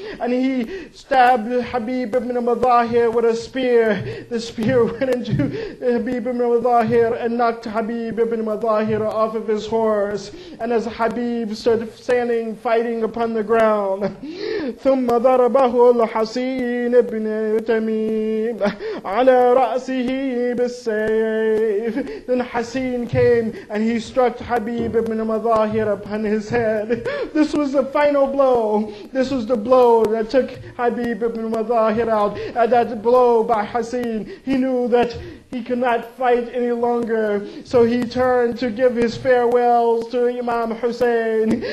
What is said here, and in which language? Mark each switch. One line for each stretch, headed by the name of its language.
English: And he stabbed Habib ibn Madahir with a spear. The spear went into Habib ibn Madahir and knocked Habib ibn Madahir off of his horse. And as Habib stood standing, fighting upon the ground.
Arabic: ثُمَّ ضَرَبَهُ الحصين ابن تميم على رأسه بالسيف.
English: Then Hasin came and he struck Habib ibn Madahir upon his head. This was the final blow. This was the blow that took Habib ibn Madahir out. At that blow by Hasin, he knew that he could not fight any longer, so he turned to give his farewells to Imam Hussein.